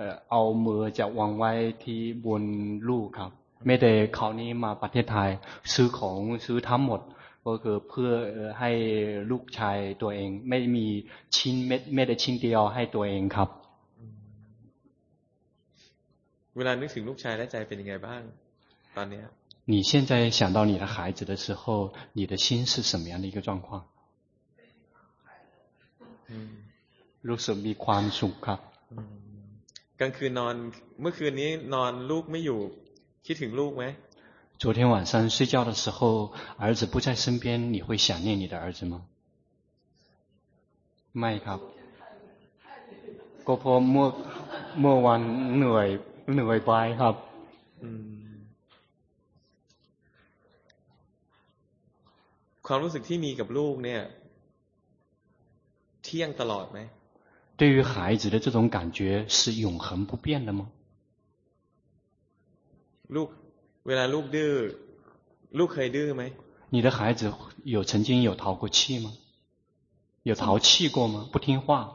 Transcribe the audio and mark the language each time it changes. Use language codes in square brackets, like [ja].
[th] เอามือจะวางไว้ที่บนลูกครับแม้แต่คราวนี้มาประเทศไทยซื้อของซื้อทั้งหมดก็คือเพื่อให้ลูกชายตัวเองไม่มีชิ้นเม็ดได้ชิ้นเดียวให้ตัวเองครับ เวลานึกถึงลูกชายและใจเป็นยังไงบ้างตอนนี้ [zh] 你现在想到你的孩子的时候你的心是什么样的一个状况 [th] รู้สึกมีความสุขครับ กลางคืนนอนเมื่อคืนนี้นอนลูกไม่อยู่คิดถึงลูกไหม [zh] 昨天晚上睡觉的时候儿子不在身边你会想念你的儿子吗 [th] ไม่ครับก็เพราะเมื่อวันเหนื่อยไปครับ ความรู้สึกที่มีกับลูกเนี่ยเที่ยงตลอดไหม [zh] 对于孩子的这种感觉是永恒不变的吗 [th] ลูกเวลาลูกดื้อลูกเคยดื้อไหม [zh] 你的孩子有曾经有淘过气吗有淘气过吗不听话